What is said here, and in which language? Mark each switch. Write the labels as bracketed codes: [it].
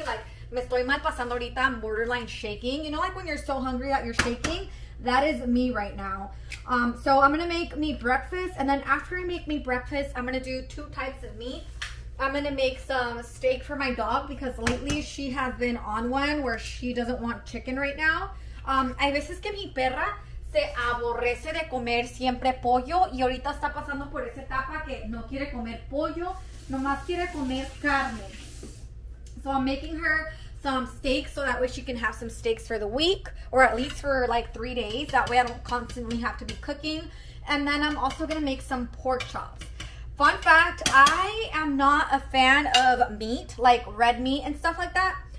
[en] Like, [es] me estoy mal pasando ahorita, [en] I'm borderline shaking. You know, like when you're so hungry that you're shaking? That is me right now. So I'm gonna make me breakfast, and then after I make me breakfast, I'm gonna do two types of meat. I'm gonna make some steak for my dog because lately she has been on one where she doesn't want chicken right now. [es] Hay veces que mi perra se aborrece de comer siempre pollo y ahorita está pasando por esa etapa que no quiere comer pollo, nomás quiere comer carne. [en] So I'm making her some steak so that way she can have some steaks for the week or at least for like 3 days. That way I don't constantly have to be cooking. And then I'm also gonna make some pork chops. Fun fact, I am not a fan of meat, like red meat and stuff like that.